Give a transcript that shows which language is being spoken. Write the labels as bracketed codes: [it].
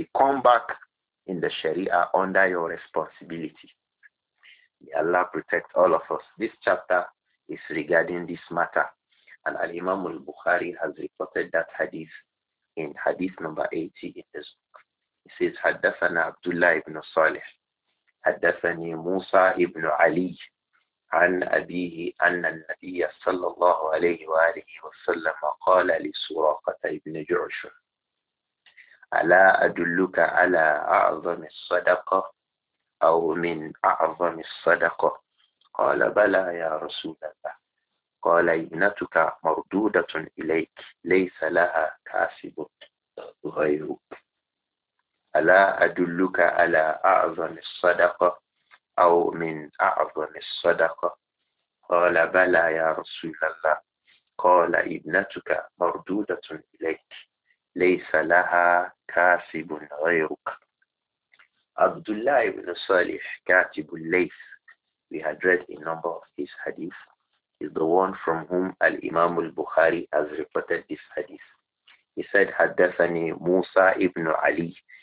[en] They come back in the Sharia under your responsibility. May Allah protect all of us. This chapter is regarding this matter. And Al-Imam al-Bukhari has reported that hadith in hadith number 80 in this book. It says, [ar] Haddathana Abdullah ibn Salih. حدثني موسى ابن علي عن أبيه أن النبي صلى الله عليه وآله وسلم قال لسراقة ابن جعش ألا أدلك على أعظم الصدقة أو من أعظم الصدقة قال بلى يا رسول الله قال ابنتك مردودة إليك ليس لها كاسب غيرك ألا أدلك على أعظم الصدقة أو من أعظم الصدقة قال بلى يا رسول الله قال ابنتك مردودة إليك ليس لها كاسب غيرك. عبد الله بن صالح كاتب الليث, [en] we had read a number of his hadith, is the one from whom الإمام البخاري has reported this hadith. He said, [ar] حدثني موسى ابن علي.